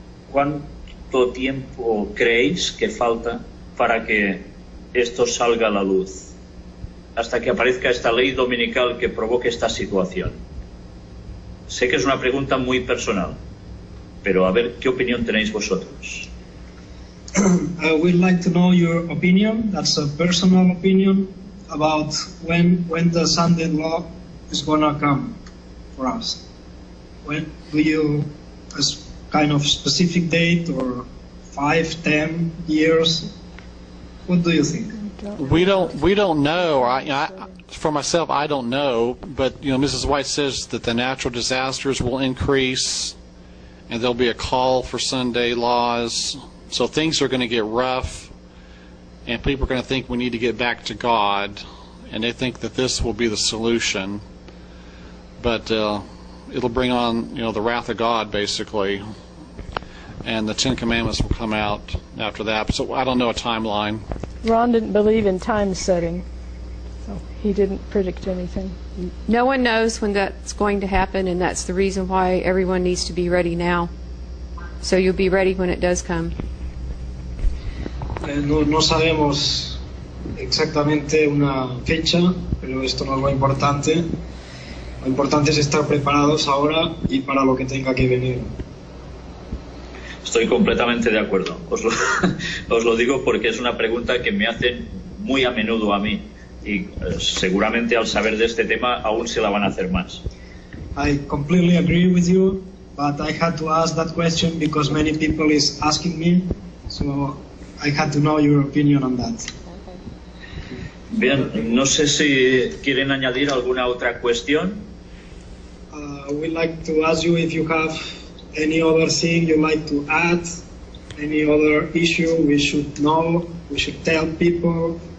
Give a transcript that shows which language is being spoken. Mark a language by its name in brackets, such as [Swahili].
[Spanish] ¿Cuánto tiempo creéis que falta para que esto salga a la luz, hasta que aparezca esta ley dominical que provoque esta situación? Sé que es una pregunta muy personal, pero a ver qué opinión tenéis vosotros. [English] We'd like to know your opinion. That's a personal opinion about when the Sunday law is gonna come for us. When do you, as kind of specific date or 5, 10 years? What do you think? We don't know. For myself, I don't know, but you know, Mrs. White says that the natural disasters will increase, and there'll be a call for Sunday laws. So things are going to get rough, and people are going to think we need to get back to God, and they think that this will be the solution. But it'll bring on, you know, the wrath of God, basically, and the Ten Commandments will come out after that. So I don't know a timeline. Ron didn't believe in time setting. He didn't predict anything. No one knows when that's going to happen, and that's the reason why everyone needs to be ready now. So you'll be ready when it does come. [Spanish] No sabemos exactamente una fecha, pero esto no es lo importante. Lo importante es estar preparados ahora y para lo que tenga que venir. Estoy completamente de acuerdo. Os lo digo porque es una pregunta que me hacen muy a menudo a mí. Y seguramente al saber de este tema aún se la van a hacer más. [English] I completely agree with you, but I had to ask that question because many people is asking me, so I had to know your opinion on that. [Spanish] Bien, no sé si quieren añadir alguna otra cuestión. [English] We'd like to ask you if you have any other thing you'd like to add, any other issue we should know, we should tell people.